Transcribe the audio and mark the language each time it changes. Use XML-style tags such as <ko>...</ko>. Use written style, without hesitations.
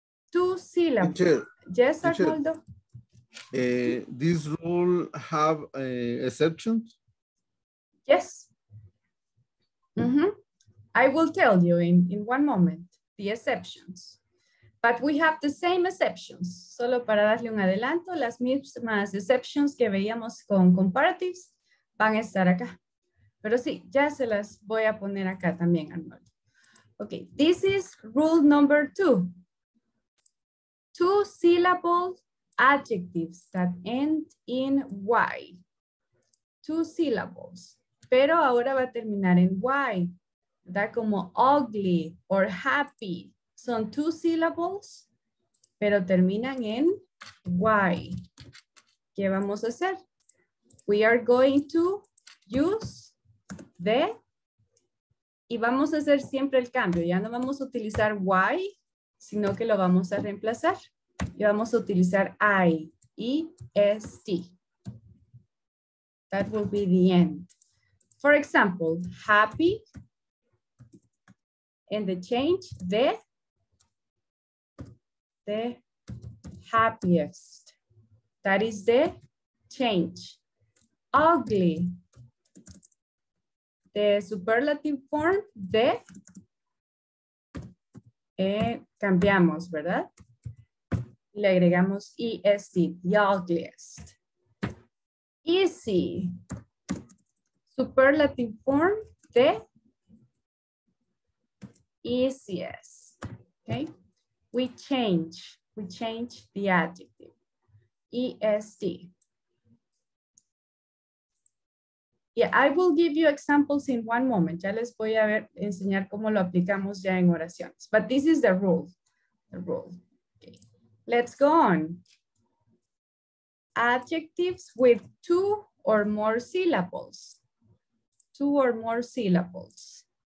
<en>Two syllables. Yes, Arnoldo. This rule have exceptions? Yes. Mm-hmm. I will tell you in one moment the exceptions. But we have the same exceptions.</en> <es>Solo para darle un adelanto, las mismas exceptions que veíamos con comparatives van a estar acá. Pero sí, ya se las voy a poner acá también, Arnold.</es> <en>Ok, this is rule number two. Two syllable adjectives that end in Y. Two syllables.</en> <es>Pero ahora va a terminar en Y. Da como ugly or happy. Son</es> <en>two syllables,</en> <es>pero terminan en Y. ¿Qué vamos a hacer?</es> <en>We are going to use</en> <es>de, y vamos a hacer siempre el cambio, ya no vamos a utilizar y, sino que lo vamos a reemplazar y vamos a utilizar I, E-S-T.</es> <en>That will be the end. For example, happy, and the change, the happiest. That is the change. Ugly. The superlative form, the,</en> <es>cambiamos, ¿verdad? Le agregamos</es> <en>EST, the ugliest. Easy, superlative form, the easiest, okay? We change the adjective, EST. Yeah, I will give you examples in one moment.</en> <es>Ya les voy a ver, enseñar cómo lo aplicamos ya en oraciones.</es> <en>But this is the rule. Okay. Let's go on. adjectives with two or more syllables. Two or more syllables.</en>